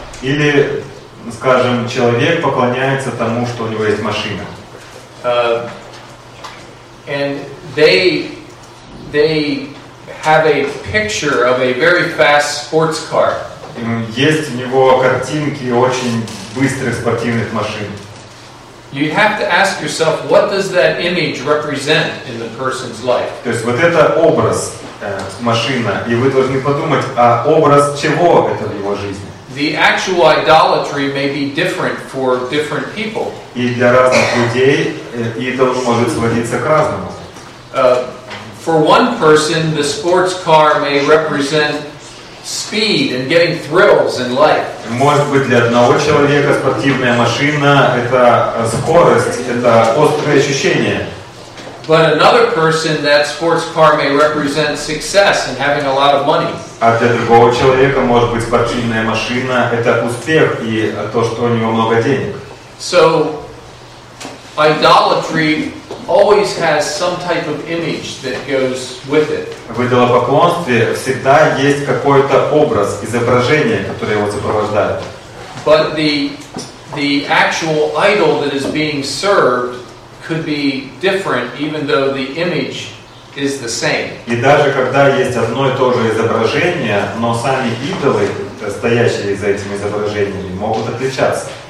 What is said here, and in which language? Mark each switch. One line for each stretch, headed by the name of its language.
Russian: Или, скажем, человек поклоняется тому, что у него есть машина.
English: And they have a picture of a very fast sports car.
Russian: Есть у него картинки очень быстрых спортивных машин.
English: You have to ask yourself, what does that image represent in the person's life?
Russian: То есть вот это образ машина, и вы должны подумать, а образ чего это в его жизни?
English: The actual idolatry may be different for different people.
Russian: И для разных людей идол может сводиться к разному.
English: For one person, the sports car may represent speed and getting thrills in life.
Russian: Может быть, для одного человека спортивная машина – это скорость, это острые ощущения.
English: But another person, that sports car may represent success and having a lot of money.
Russian: А для другого человека, может быть, спортивная машина – это успех и то, что у него много денег.
English: So, idolatry always has some type of image that goes with it.
Russian: В идолопоклонстве всегда есть какой-то образ, изображение, которое его сопровождает.
English: But the actual idol that is being served could be different, even though the image is the same.
Russian: И даже когда есть одно и то же изображение, но сами идолы, стоящие за этими изображениями, могут отличаться.